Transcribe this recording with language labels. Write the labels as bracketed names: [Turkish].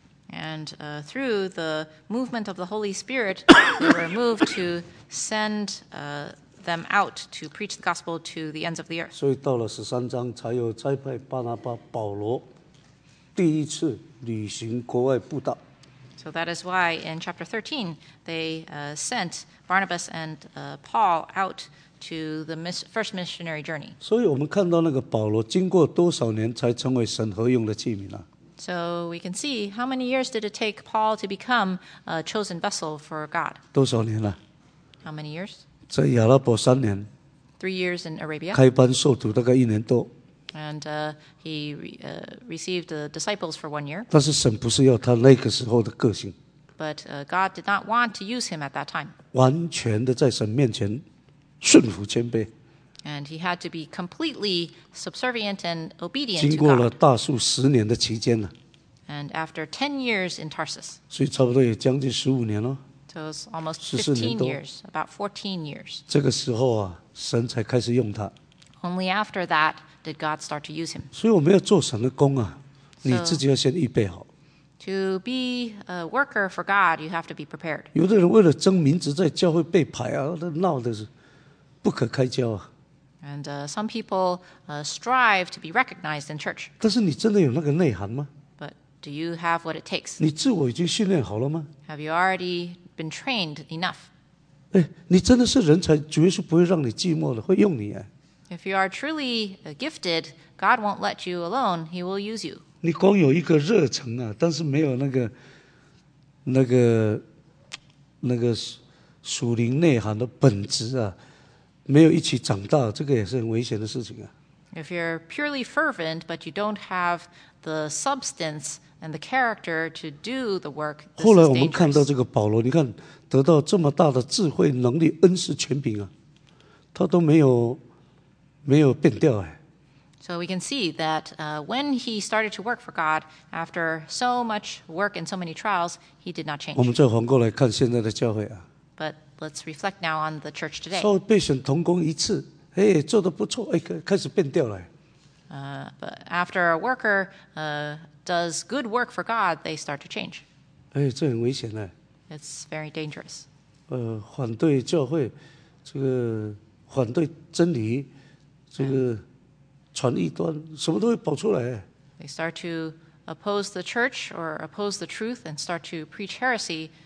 [English] And through the movement of the Holy Spirit, they were moved to send them out to preach the gospel to the ends of the earth. [Chinese] 所以到了十三章才有差派巴拿巴、保罗第一次旅行国外布道。 [English] So that is why in chapter 13, they sent Barnabas and Paul out to the first missionary journey. [Chinese] 所以我们看到那个保罗经过多少年才成为神合用的器皿啊。 [English] So we can see how many years did it take Paul to become a chosen vessel for God? [Chinese] 多少年了？ [English] How many years? [Chinese] 在亚拉伯三年。 [English] 3 years in Arabia. [Chinese] 开班授徒大概一年多。 [English] And he received the disciples for 1 year. [Chinese] 但是神不是要他那个时候的个性。 [English] But God did not want to use him at that time. [Chinese] 完全的在神面前顺服谦卑。 [English] And he had to be completely subservient and obedient to God. [Chinese] 经过了大树十年的期间呢。 [English] And after 10 years in Tarsus. [Chinese] 所以差不多也将近十五年了。 [English] So it's almost 15 years, about 14 years. [Chinese] 这个时候啊，神才开始用他。 [English] Only after that did God start to use him. [Chinese] 所以我们要做神的工啊，你自己要先预备好。 [English] To be a worker for God, you have to be prepared. [Chinese] 有的人为了争名字在教会被排啊，那闹的是不可开交啊。 [English] And some people strive to be recognized in church. [Chinese] 但是你真的有那个内涵吗？ [English] But do you have what it takes? [Chinese] 你自我已经训练好了吗？ [English] Have you already been trained enough? [Chinese] 你真的是人才，主耶稣不会让你寂寞的，会用你啊。 [English] If you are truly gifted, God won't let you alone. He will use you. [Chinese] 你光有一个热忱啊，但是没有那个属灵内涵的本质啊。没有一起长大，这个也是很危险的事情啊。 [English] If you're purely fervent, but you don't have the substance and the character to do the work, this is dangerous. [Chinese] 后来我们看到这个保罗，你看得到这么大的智慧、能力、恩赐、权柄啊，他都没有变掉哎。 [English] So we can see that when he started to work for God, after so much work and so many trials, he did not change. [Chinese] 我们再反过来看现在的教会啊。 [English] But let's reflect now on the church today. [Chinese] 稍微被选同工一次，哎，做得不错，哎，开始变掉了。 [English] But after a worker does good work for God, they start to change. [Chinese] 哎，这很危险呢。 [English] It's very dangerous. [Chinese] 反对教会，这个反对真理，这个传异端，什么都会跑出来。 [English] They start to oppose the church or oppose the truth and start to preach heresy.